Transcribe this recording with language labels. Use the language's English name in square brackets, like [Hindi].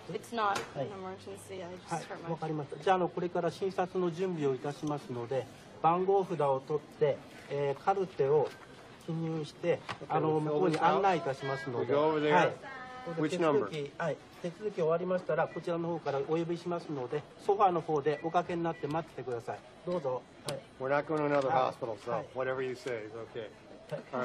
[English] It's not an emergency. I just hurt my foot. [Japanese] じゃあのこれから診察の準備をいたしますので、番号札を取って、カルテを記入して、あの向こうに案内いたしますので、はい。 [English] Which number? [Japanese] はい。手続き終わりましたらこちらの方からお呼びしますので、ソファーの方でおかけになって待っててください。どうぞ。 [English] We're not going to another hospital, so whatever you say is okay.